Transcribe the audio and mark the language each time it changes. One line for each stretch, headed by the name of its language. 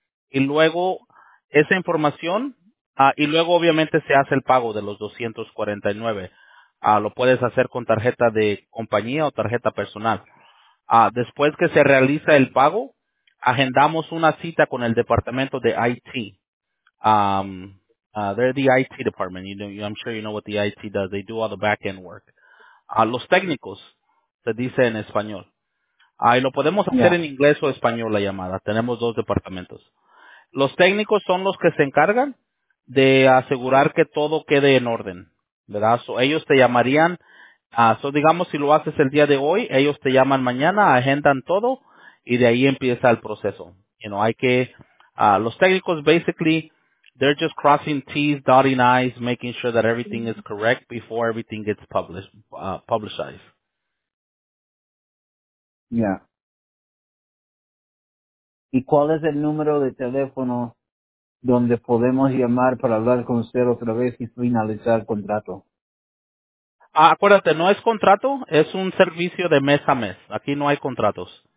Spanish: Y luego esa información, y luego obviamente se hace el pago de los 249. Lo puedes hacer con tarjeta de compañía o tarjeta personal. Después que se realiza el pago, agendamos una cita con el departamento de IT.
English: They're the IT department. You know, I'm sure you know what the IT does. They do all the back-end work.
Spanish: Los técnicos, se dice en español. Y lo podemos hacer en inglés o español la llamada. Tenemos dos departamentos. Los técnicos son los que se encargan de asegurar que todo quede en orden, ¿verdad? So, ellos te llamarían. So, digamos, si lo haces el día de hoy, ellos te llaman mañana, agendan todo y de ahí empieza el proceso.
English: You know,
Spanish: hay que, los técnicos,
English: basically, they're just crossing T's, dotting I's, making sure that everything is correct before everything gets publicized.
Spanish: Yeah. ¿Y cuál es el número de teléfono donde podemos llamar para hablar con usted otra vez y finalizar el contrato? Acuérdate, no es contrato, es un servicio de mes a mes. Aquí no hay contratos.